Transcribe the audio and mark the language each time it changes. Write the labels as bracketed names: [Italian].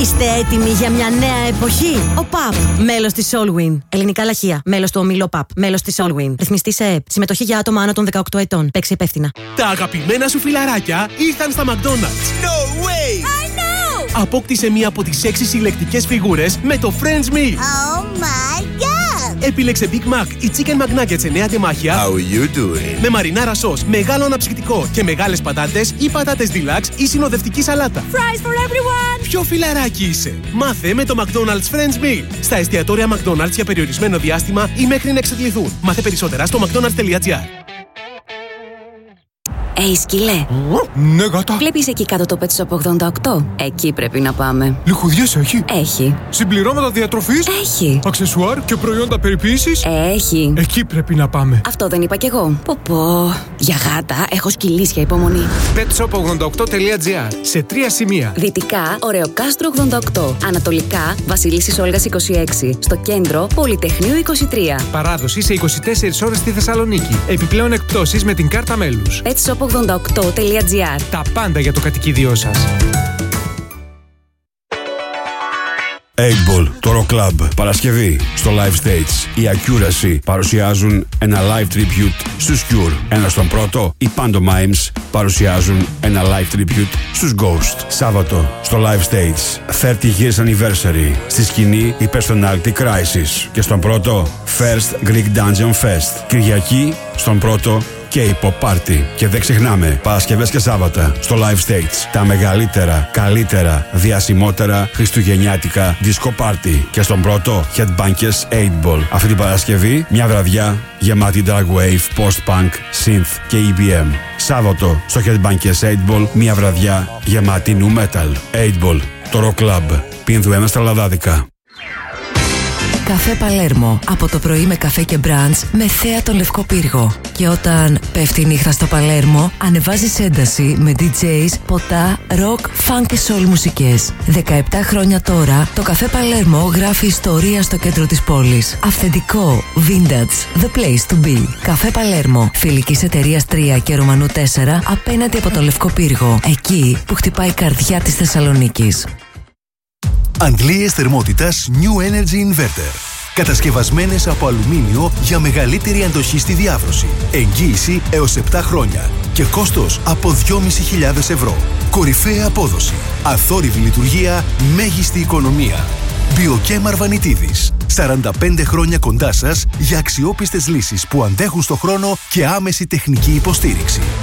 [Greek] Είστε έτοιμοι για μια νέα εποχή. Ο ΠΑΠ, μέλος της Allwin. Ελληνικά λαχεία, μέλος του ομίλου ΠΑΠ, μέλος της Allwin. Ρυθμιστή σε ΕΠ. Συμμετοχή για άτομα άνω των 18 ετών. Παίξει υπεύθυνα. Τα αγαπημένα σου φιλαράκια ήρθαν στα McDonald's. Απόκτησε μία από τις 6 συλλεκτικές φιγούρες με το Friends Meal. [English] Oh my God! [Greek] Επιλέξε Big Mac ή Chicken McNuggets 9 τεμάχια. [English] How you doing? [Greek] Με μαριναρά σος, μεγάλο αναψυκτικό και μεγάλες πατάτες ή πατάτες deluxe ή συνοδευτική σαλάτα. [English] Fries for everyone! [Greek] Ποιο φιλαράκι είσαι? Μάθε με το McDonald's Friends Meal. Στα εστιατόρια McDonald's για περιορισμένο διάστημα ή μέχρι να εξαντληθούν. Μάθε περισσότερα στο mcdonalds.gr. Ει σκυλέ. Ναι, γάτα. Βλέπεις εκεί κάτω το πέτσο από 88. Εκεί πρέπει να πάμε. Λιχουδιές έχει. Έχει. Συμπληρώματα διατροφής. Έχει. Αξεσουάρ και προϊόντα περιποίησης. Έχει. Εκεί πρέπει να πάμε. Αυτό δεν είπα κι εγώ. Πω. Για γάτα έχω σκυλίσια υπομονή. Petshop88.gr. Σε τρία σημεία. Δυτικά, Ωραιοκάστρο 88. Ανατολικά, Βασιλίσσης Όλγας 26. Στο κέντρο, Πολυτεχνείου 23. Παράδοση σε 24 ώρες στη Θεσσαλονίκη. Επιπλέον εκπτώσεις με την κάρτα μέλους. Petshop88.gr. Τα πάντα για το κατοικίδιό σας. Eggball, το Rock Club, Παρασκευή, στο Live Stage. Η Accuracy παρουσιάζουν ένα live tribute στους Cure. Ένα στον πρώτο, οι Pantomimes παρουσιάζουν ένα live tribute στους Ghost. Σάββατο, στο Live Stage, 30 Years Anniversary. Στη σκηνή, η Personality Crisis. Και στον πρώτο, First Greek Dungeon Fest. Κυριακή, στον πρώτο, K-pop party. Και δεν ξεχνάμε, Παρασκευές και Σάββατα στο Live Stage, τα μεγαλύτερα, καλύτερα, διασημότερα χριστουγεννιάτικα disco party. Και στον πρώτο, Headbangers 8-Ball. Αυτή την Παρασκευή, μια βραδιά γεμάτη dark wave, post-punk, synth και EBM. Σάββατο στο Headbangers 8-Ball, μια βραδιά γεμάτη new metal. 8-Ball, το Rock Club, Πίνδου 1 στα Λαδάδικα. Καφέ Παλέρμο. Από το πρωί με καφέ και μπραντς με θέα τον Λευκό Πύργο. Και όταν πέφτει η νύχτα στο Παλέρμο, ανεβάζεις ένταση με DJs, ποτά, rock, funk και soul μουσικές. 17 χρόνια τώρα, το Καφέ Παλέρμο γράφει ιστορία στο κέντρο της πόλης. Αυθεντικό, vintage, [English] the place to be. [Greek] Καφέ Παλέρμο. Φιλικής εταιρείας 3 και Ρουμανού 4, απέναντι από το Λευκό Πύργο. Εκεί που χτυπάει η καρδιά της Θεσσαλονίκης. Αντλίες θερμότητας New Energy Inverter. Κατασκευασμένες από αλουμίνιο για μεγαλύτερη αντοχή στη διάβρωση. Εγγύηση έως 7 χρόνια και κόστος από 2.500 ευρώ. Κορυφαία απόδοση, αθόρυβη λειτουργία, μέγιστη οικονομία. Biochem Αρβανιτίδης. 45 χρόνια κοντά σας για αξιόπιστες λύσεις που αντέχουν στο χρόνο και άμεση τεχνική υποστήριξη.